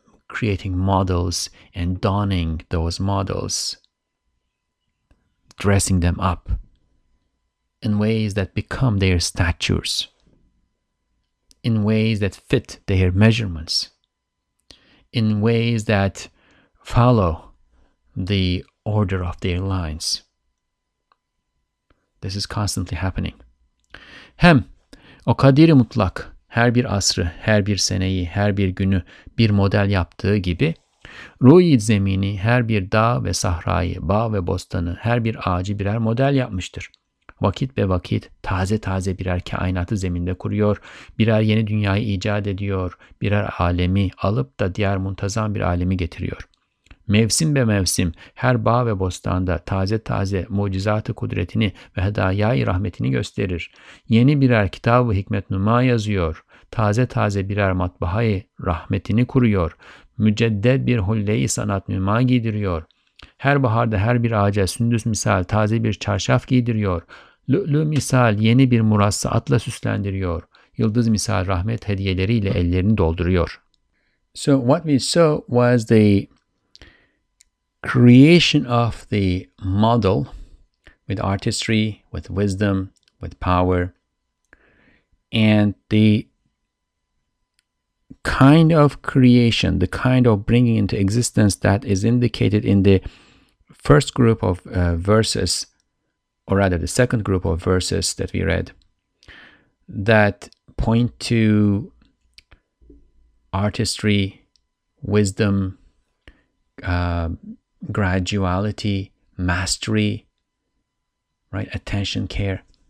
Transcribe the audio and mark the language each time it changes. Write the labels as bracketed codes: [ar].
[en] creating models and donning those models, dressing them up in ways that become their statures, in ways that fit their measurements, in ways that follow the order of their lines. This is constantly happening. [tr] Hem o kadiri mutlak her bir asrı, her bir seneyi, her bir günü bir model yaptığı gibi, ruhi zemini her bir dağ ve sahrayı, bağ ve bostanı, her bir ağacı birer model yapmıştır. Vakit be vakit taze taze birer kainatı zeminde kuruyor, birer yeni dünyayı icat ediyor, birer alemi alıp da diğer muntazam bir alemi getiriyor. Mevsim be mevsim her bağ ve bostanda taze taze mucizatı kudretini ve hedayayı rahmetini gösterir. Yeni birer kitab-ı hikmet numa yazıyor, taze taze birer matbahayı rahmetini kuruyor, müceddet bir hulle-i sanat numa giydiriyor. Her baharda her bir ağaca sündüs misal taze bir çarşaf giydiriyor. Lü'lü misal yeni bir murassı atla süslendiriyor. Yıldız misal rahmet hediyeleriyle ellerini dolduruyor. [en] So what we saw was the creation of the model with artistry, with wisdom, with power, and the kind of creation, the kind of bringing into existence that is indicated in the first group of verses, or rather the second group of verses that we read, that point to artistry, wisdom, graduality, mastery, right? Attention, care.